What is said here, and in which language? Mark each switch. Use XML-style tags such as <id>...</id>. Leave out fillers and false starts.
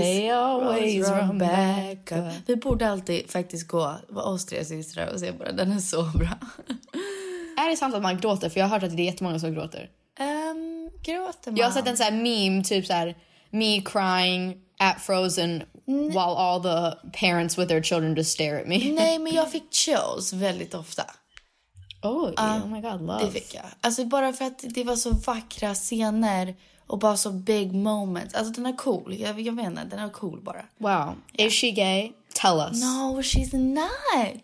<en>They always run back up.</en> <sv>Vi borde alltid faktiskt gå vara oss tre systrar och se bara, den är så bra. Är det sant att man gråter? För jag har hört att det är jättemånga som gråter. Gråter man? Jag har sett en sån här meme, typ så här,</sv> <en>me crying at Frozen... While all the parents with their children just stare at me.</en> <sv>Nej, men jag fick chills väldigt ofta.</sv> <en>Oh my god, love.</en> <sv>Det fick jag. Alltså bara för att det var så vackra scener och bara så</sv> <en>big moments.</en> <sv>Alltså den är cool. Jag menar, den är cool bara.</sv> <en>Wow. Yeah. Is she gay? Tell us. No, she's not.</en>